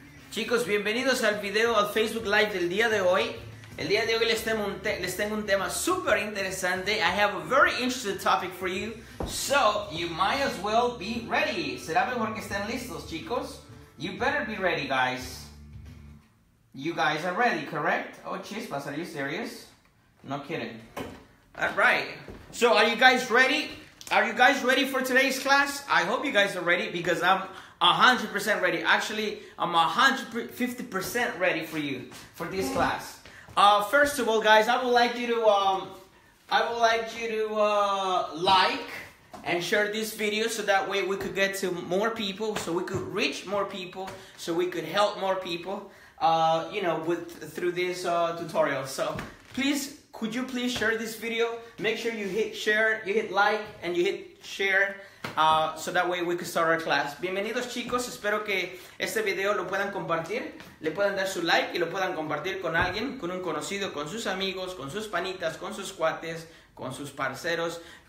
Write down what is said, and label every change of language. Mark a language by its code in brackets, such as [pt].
[es] Chicos, bienvenidos al video, al Facebook Live del día de hoy. El día de hoy les tengo un tema super interesante. [en] I have a very interesting topic for you, so you might as well be ready. [es] Será mejor que estén listos, chicos. [en] You better be ready, guys. You guys are ready, correct? Oh, chispas, are you serious? No kidding. All right. So, are you guys ready? Are you guys ready for today's class? I hope you guys are ready because I'm 100% ready. Actually, I'm 150% ready for you for this class. First of all, guys, I would like you to like and share this video so that way we could get to more people, so we could reach more people, so we could help more people. Through this tutorial. So, please, could you please share this video? Make sure you hit share, you hit like, and you hit share, so that way we can start our class. [es] Bienvenidos, chicos. Espero que este video lo puedan compartir, le puedan dar su like y lo puedan compartir con alguien, con un conocido, con sus amigos, con sus panitas, con sus cuates, con sus parceros.